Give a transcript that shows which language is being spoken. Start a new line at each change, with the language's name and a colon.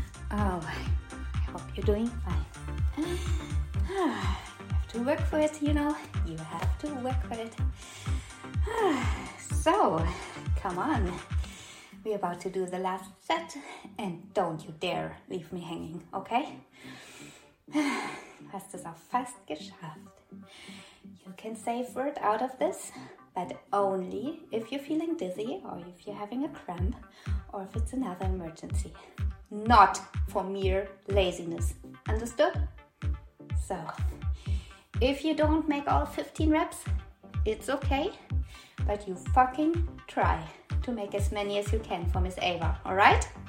English: Oh, I hope you're doing fine. You have to work for it, you know. You have to work for it. So, come on. We're about to do the last set. And don't you dare leave me hanging, okay?
German: Du hast es auch fast geschafft.
English: You can say a word out of this, but only if you're feeling dizzy or if you're having a cramp or if it's another emergency. Not for mere laziness. Understood? So, if you don't make all 15 reps, it's okay, but you fucking try to make as many as you can for Miss Ava, alright?